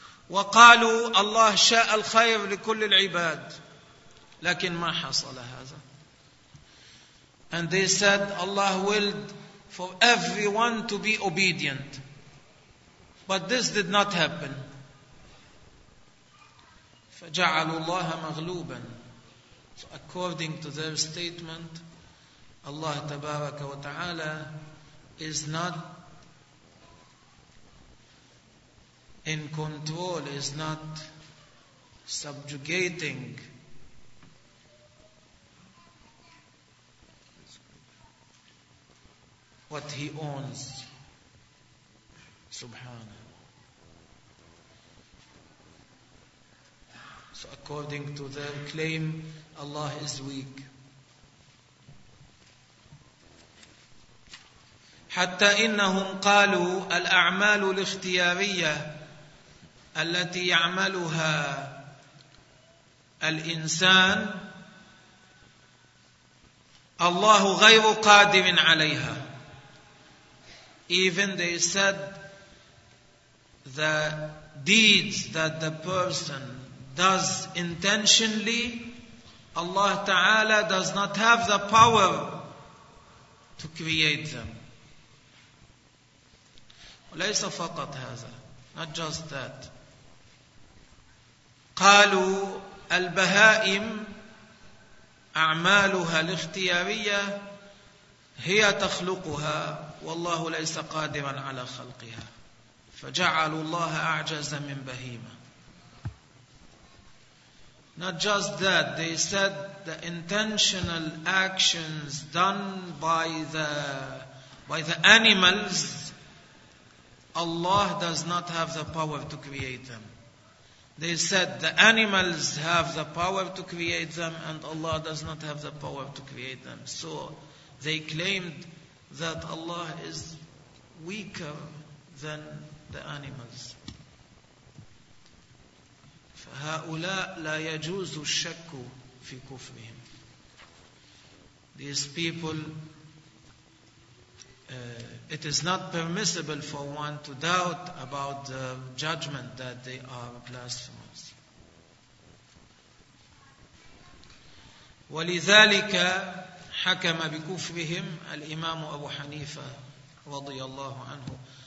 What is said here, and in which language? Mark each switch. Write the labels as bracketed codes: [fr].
[ar] وقالوا الله شاء الخير لكل العباد, لكن ما حصل هذا. [en] And they said Allah willed for everyone to be obedient, but this did not happen. [ar] فجعلوا الله مغلوبا. [en] So according to their statement, Allah Tabaraka wa Ta'ala is not in control, is not subjugating what He owns. Subhanahu. So according to their claim, Allah is weak. [ar] حتى إنهم قالوا الأعمال الاختيارية التي يعملها الإنسان الله غير قادر عليها. [en] Even they said the deeds that the person does intentionally, Allah Ta'ala does not have the power to create them. [ar] وليس فقط هذا, [en] not just that. [ar] قالوا البهائم أعمالها الاختيارية هي تخلقها والله ليس قادرا على خلقها فجعلوا الله أعجز من بهيمة. [en] Not just that, they said the intentional actions done by the animals, Allah does not have the power to create them. They said the animals have the power to create them and Allah does not have the power to create them. So they claimed that Allah is weaker than the animals. [ar] فهؤلاء لا يجوز الشك في كفرهم. [en] These people, it is not permissible for one to doubt about the judgment that they are blasphemers. [ar] ولذلك حكم بكفرهم الإمام أبو حنيفة رضي الله عنه.